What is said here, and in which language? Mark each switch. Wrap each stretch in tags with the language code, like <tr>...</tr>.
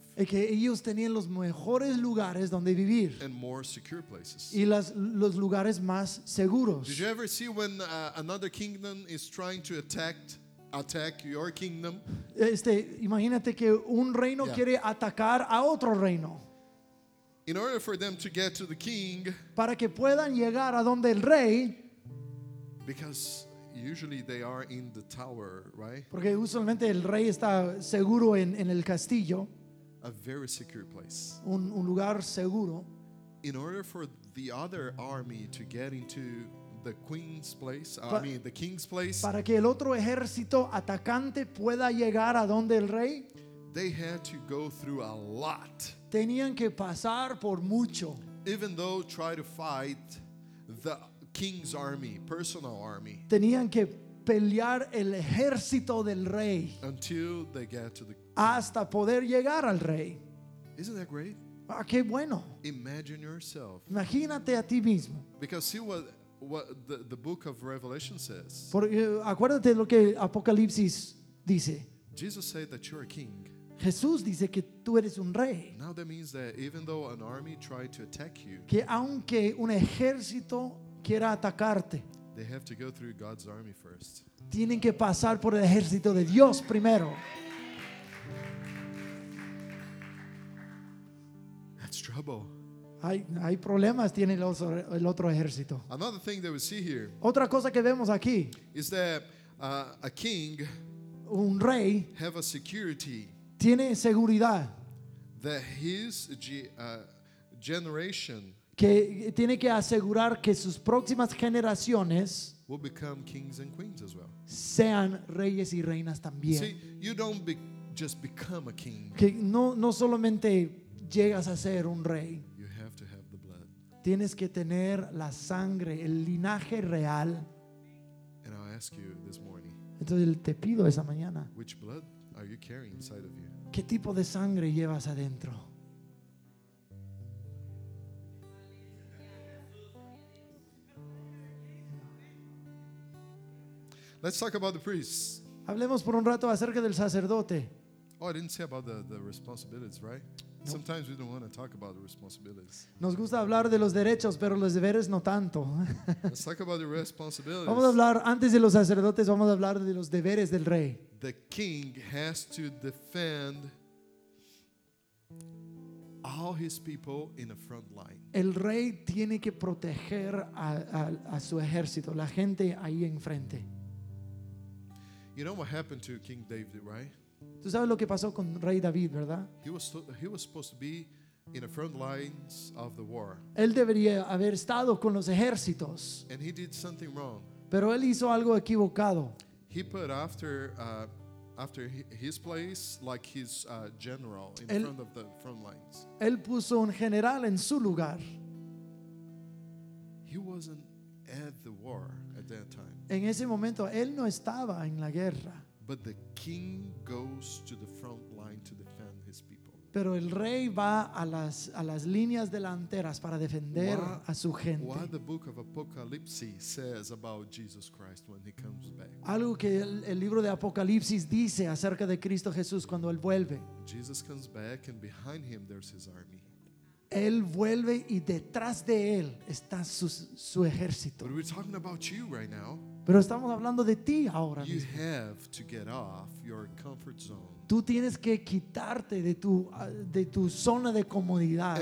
<es>Es que ellos tenían los mejores lugares donde vivir.</es> <en>And more secure places.</en> <es>Y los lugares más seguros.</es> <en>Did you ever see when another kingdom is trying to attack your kingdom?</en> <es>Imagínate que un reino quiere atacar a otro reino.</es> <en>In order for them to get to the king,</en> <es>para que puedan llegar a donde el rey,</es> <en>because usually they are in the tower, right?</en> <es>Porque usualmente el rey está seguro en el castillo,</es> <en>a very secure place,</en> <es>un lugar seguro.</es> <en>In order for the other army to get into the queen's place, the king's place,</en> <es>para que el otro ejército atacante pueda llegar a donde el rey,</es> <en>they had to go through a lot.</en> <es>Tenían que pasar por mucho.</es> <en>Even though try to fight the king's army, personal army.</en> <es>Tenían que pelear el ejército del rey.</es> <en>Until they get to the</en> <es>hasta poder llegar al rey.</es> <en>Isn't that great?</en> <es>Ah, qué bueno.</es> <en>Imagine yourself.</en> <es>Imagínate a ti mismo.</es> <en>Because see what the book of Revelation says.</en> <es>Porque acuérdate lo que Apocalipsis dice.</es> <en>Jesus said that you're a king.</en> <es>Jesús dice que tú eres un rey.</es> <en>Now that means that even though an army tried to attack you,</en> <es>que aunque un ejército quiera atacarte,</es> <en>they have to go through God's army first.</en> <es>Tienen que pasar por el ejército de Dios primero.</es> <en>That's trouble.</en> <es>Hay problemas tiene el otro ejército.</es> <en>Another thing that we see here.</en> <es>Otra cosa que vemos aquí.</es> <en>Is that a king,</en> <es>un rey,</es> <en>have a security.</en> <es>Tiene seguridad.</es> <en>That his generation.</en> <es>Que tiene que asegurar que sus próximas generaciones</es> <en>will become kings and queens as well.</en> <es>Sean reyes y reinas también.</es> <en>See, you don't just become a king.</en> <es>Que no solamente llegas a ser un rey.</es> <en>You have to have the blood.</en> <es>Tienes que tener la sangre, el linaje real.</es> <en>And I'll ask you this morning.</en> <es>Entonces te pido esa mañana.</es> <en>Which blood are you carrying inside of you?</en> <es>¿Qué tipo de sangre llevas adentro?</es> <en>Let's talk about the priests.</en> <es>Hablemos por un rato acerca del sacerdote.</es> <en>Oh, I didn't say about the responsibilities, right? No. Sometimes we don't want to talk about the responsibilities.</en> <es>Nos gusta hablar de los derechos, pero los deberes no tanto.</es> <en>Let's talk about the responsibilities.</en> <es>Vamos a hablar antes de los sacerdotes, vamos a hablar de los deberes del rey.</es> <en>The king has to defend all his people in the front line.</en> <es>El rey tiene que proteger a su ejército, la gente ahí enfrente.</es> <en>You know what happened to King David, right?</en> <es>¿Tú sabes lo que pasó con Rey David, verdad?</es> <en>He was supposed to be in the front lines of the war.</en> <es>Él debería haber estado con los ejércitos.</es> <en>And he did something wrong.</en> <es>Pero él hizo algo equivocado.</es> <en>He put after his place like his general in front of the front lines.</en> <es>Él puso un general en su lugar.</es> <en>He wasn't at the war at that time.</en> <es>En ese momento él no estaba en la guerra.</es> <en>But the king goes to the front line to defend his people.</en> <es>Pero el rey va a las líneas delanteras para defender a su gente.</es> <en>What the book of Apocalypse says about Jesus Christ when he comes back.</en> <es>Algo que el libro de Apocalipsis dice acerca de Cristo Jesús cuando él vuelve.</es> <en>Jesus comes back and behind him there's his army.</en> <es>Él vuelve y detrás de él está su ejército.</es> <en>But we're talking about you right now.</en> <es>Pero estamos hablando de ti ahora mismo.</es> <en>You have to get off your comfort zone.</en> <es>Tú tienes que quitarte de tu zona de comodidad.</es>